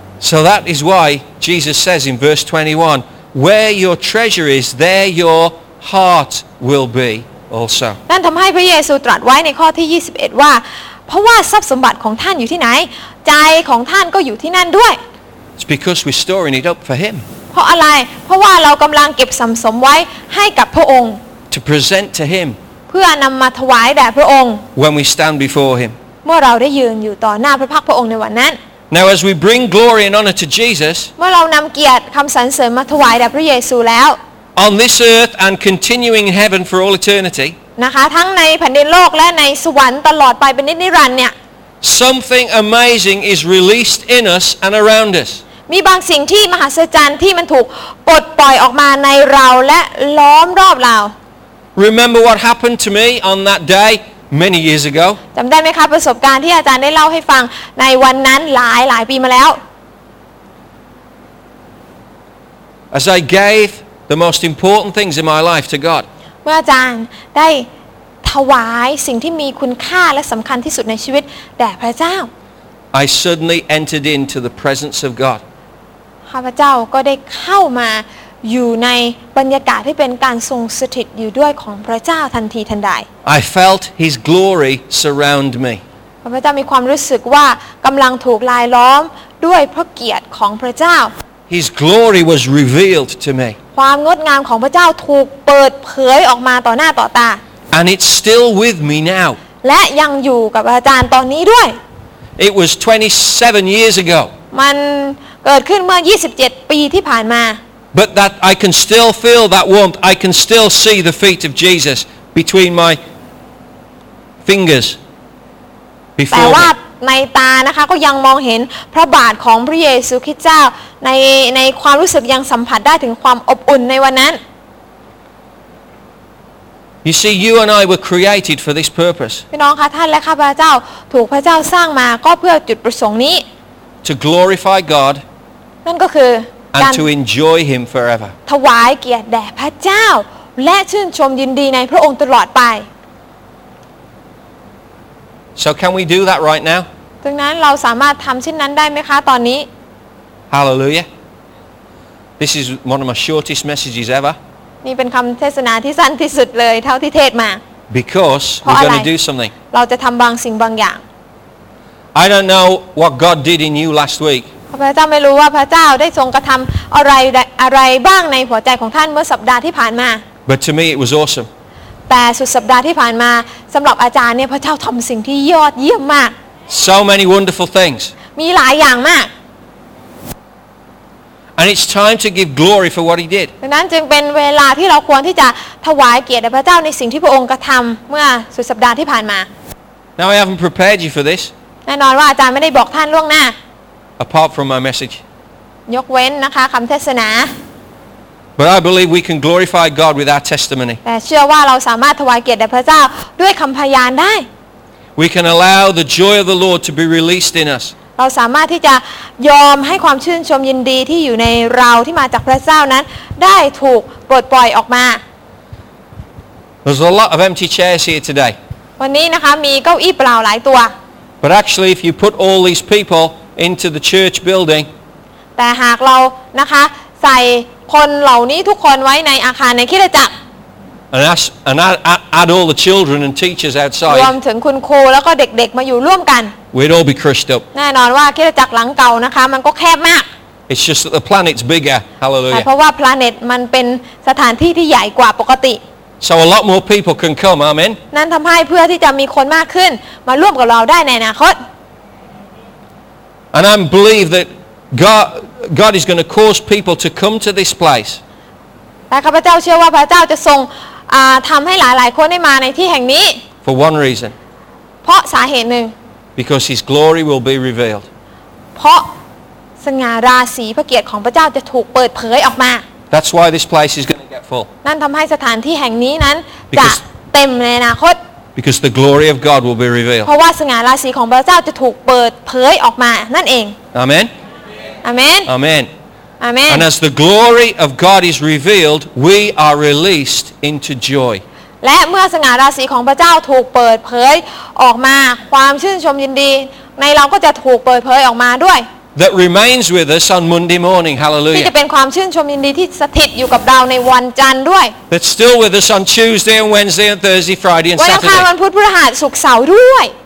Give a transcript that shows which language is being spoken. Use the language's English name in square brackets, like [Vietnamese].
[English] So that is why Jesus says in verse 21, "Where your treasure is, there your heart will be also." [Thai] นั่นทำให้พระเยซูตรัสไว้ในข้อที่21ว่าเพราะว่าทรัพย์สมบัติของท่านอยู่ที่ไหนใจของท่านก็อยู่ที่นั่นด้วย [English] It's because we're storing it up for Him. [Thai] เพราะอะไรเพราะว่าเรากำลังเก็บสำสมไว้ให้กับพระองค์ [English] To present to him [Thai] เพื่อนำมาถวายแด่พระองค์ [English] When we stand before him [Thai] เมื่อเราได้ยืนอยู่ต่อหน้าพระพักพระองค์ในวันนั้น [English] Now as we bring glory and honor to Jesus [Thai] เมื่อเรานำเกียรติคำสรรเสริญมาถวายแด่พระเยซูแล้ว [English] On this earth and continuing in heaven for all eternity [Thai] นะคะทั้งในแผ่นดินโลกและในสวรรค์ตลอดไปเป็นนิรันดร์เนี่ย [English] Something amazing is released in us and around us [Thai] มีบางสิ่งที่มหัศจรรย์ที่มันถูกปลดปล่อยออกมาในเราและล้อมรอบเรา [English] Remember what happened to me on that day many years ago [Thai] จำได้ไหมครับประสบการณ์ที่อาจารย์ได้เล่าให้ฟังในวันนั้นหลายปีมาแล้ว [English] As I gave the most important things in my life to God [Thai] เมื่ออาจารย์ได้ถวายสิ่งที่มีคุณค่าและสำคัญที่สุดในชีวิตแด่พระเจ้า [English] I suddenly entered into the presence of God. [Thai] ข้าพเจ้าก็ได้เข้ามาอยู่ในบรรยากาศที่เป็นการทรงสถิตอยู่ด้วยของพระเจ้าทันทีทันใด [English] I felt His glory surround me. [Thai] พระเจ้ามีความรู้สึกว่ากำลังถูกลายล้อมด้วยพระเกียรติของพระเจ้า [English] His glory was revealed to me [Thai] ความงดงามของพระเจ้าถูกเปิดเผยออกมาต่อหน้าต่อตา [English] And it's still with me now [Thai] และยังอยู่กับอาจารย์ตอนนี้ด้วย [English] It was 27 years ago [Thai] มันเกิดขึ้นเมื่อ27ปีที่ผ่านมา [English] But that I can still feel that warmth I can still see the feet of Jesus between my fingers [Thai] แต่ว่าในตานะคะก็ยังมองเห็นพระบาทของพระเยซูคริสต์เจ้าในความรู้สึกยังสัมผัสได้ถึงความอบอุ่นในวันนั้น [English] You see you and I were created for this purpose [Thai] พี่น้องคะท่านและข้าพเจ้าถูกพระเจ้าสร้างมาก็เพื่อจุดประสงค์นี้ [English] To glorify God [Thai] นั่นก็คือ [English] And to enjoy him forever [Thai] ถวายเกียรติแด่พระเจ้าและชื่นชมยินดีในพระองค์ตลอดไป [English] So can we do that right now? [Thai] ดังนั้นเราสามารถทำเช่นนั้นได้ไหมคะตอนนี้ [English] Hallelujah. This is one of my shortest messages ever. [Thai] นี่เป็นคำเทศนาที่สั้นที่สุดเลยเท่าที่เทศมา [English] Because we're going to do something. [Thai] เราจะทำบางสิ่งบางอย่าง [English] I don't know what God did in you last week. [Thai] พระเจ้าไม่รู้ว่าพระเจ้าได้ทรงกระทำอะไรบ้างในหัวใจของท่านเมื่อสัปดาห์ที่ผ่านมา [English] But to me it was awesome. [Thai] แต่สุดสัปดาห์ที่ผ่านมาสำหรับอาจารย์เนี่ยพระเจ้าทำสิ่งที่ยอดเยี่ยมมาก [English] So many wonderful things [Thai] มีหลายอย่างมาก [English] And it's time to give glory for what he did [Thai] ดังนั้นจึงเป็นเวลาที่เราควรที่จะถวายเกียรติพระเจ้าในสิ่งที่พระองค์กระทำเมื่อสุดสัปดาห์ที่ผ่านมา [English] Now I haven't prepared you for this [Thai] แน่นอนว่าอาจารย์ไม่ได้บอกท่านล่วงหน้า [English] Apart from my message [Thai] ยกเว้นนะคะคำเทศนา [English] But I believe we can glorify God with our testimony. [Thai] แต่เชื่อว่าเราสามารถถวายเกียรติแด่พระเจ้าด้วยคำพยานได้ [English] We can allow the joy of the Lord to be released in us. [Thai] เราสามารถที่จะยอมให้ความชื่นชมยินดีที่อยู่ในเราที่มาจากพระเจ้านั้นได้ถูกปลดปล่อยออกมา [English] There's a lot of empty chairs here today. [Thai] วันนี้นะคะมีเก้าอี้เปล่าหลายตัว [English] But actually if you put all these people into the church building. [Thai] แต่หากเรานะคะใส่คนเหล่านี้ทุกคนไว้ในอาคารในคริสตจักร [English] And add all the children and teachers outside [Thai] รวมถึงคุณครูแล้วก็เด็กๆมาอยู่ร่วมกัน [English] We'd all be crushed up [Thai] แน่นอนว่าคริสตจักรหลังเก่านะคะมันก็แคบมาก [English] It's just that the planet's bigger Hallelujah [Thai] เพราะว่าพลาเน็ตมันเป็นสถานที่ที่ใหญ่กว่าปกติ [English] So a lot more people can come Amen [Thai] นั่นทำให้เพื่อที่จะมีคนมากขึ้นมาร่วมกับเราได้ในอนาคต [English] And I believe thatGod is going to cause people to come to this place. [Thai] และข้าพเจ้าเชื่อว่าพระเจ้าจะทรงทำให้หลายๆคนได้มาในที่แห่งนี้ [English] For one reason. [Thai] เพราะสาเหตุหนึ่ง [English] Because His glory will be revealed. [Thai] เพราะสง่าราศีพระเกียรติของพระเจ้าจะถูกเปิดเผยออกมา [English] That's why this place is going to get full. [Thai] นั่นทำให้สถานที่แห่งนี้นั้นจะเต็มในอนาคต [English] Because the glory of God will be revealed. [Thai] เพราะว่าสง่าราศีของพระเจ้าจะถูกเปิดเผยออกมานั่นเอง [English] Amen. Amen. Amen. Amen. And as the glory of God is revealed, we are released into joy. และเมื่อสง่าราศีของพระเจ้าถูกเปิดเผยออกมาความชื่นชมยินดีในเราก็จะถูกเปิดเผยออกมาด้วย That remains with us on Monday morning. Hallelujah. [Thai] ที่จะเป็นความชื่นชมยินดีที่สถิตอยู่กับเราในวันจันทร์ด้วย [English] That's still with us on Tuesday and Wednesday and Thursday, Friday and Saturday. [Thai] วันอังคารพุธพฤหัสศุกร์เสาร์ด้วย